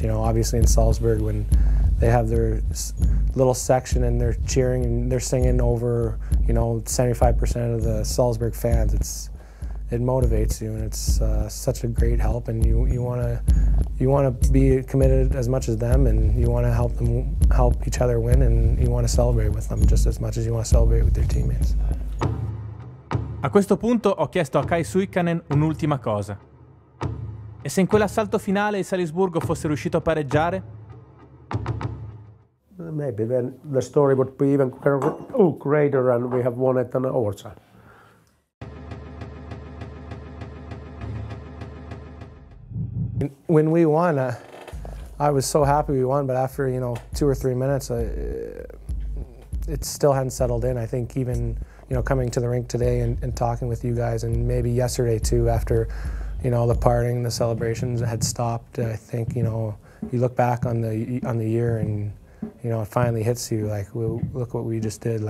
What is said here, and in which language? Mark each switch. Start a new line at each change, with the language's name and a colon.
English: You know, obviously in Salzburg when they have their little section and they're cheering and they're singing over, you know, 75% of the Salzburg fans, it motivates you and it's such a great help, and you want to be committed as much as them, and you want to help them help each other win, and you want to celebrate with them just as much as you want to celebrate with their teammates.
Italian: A questo punto ho chiesto a Kai Suikkanen un'ultima cosa. E se in quell'assalto finale il Salisburgo fosse riuscito a pareggiare?
English: Maybe then the story would be even greater and we have won it in overtime. When we won, I was so happy we won, but after, you know, 2 or 3 minutes, it still hadn't settled in. I think even, you know, coming to the rink today and talking with you guys, and maybe yesterday too, after, you know, the parting, the celebrations had stopped, I think, you know, you look back on the year and, you know, it finally hits you, like, look what we just did.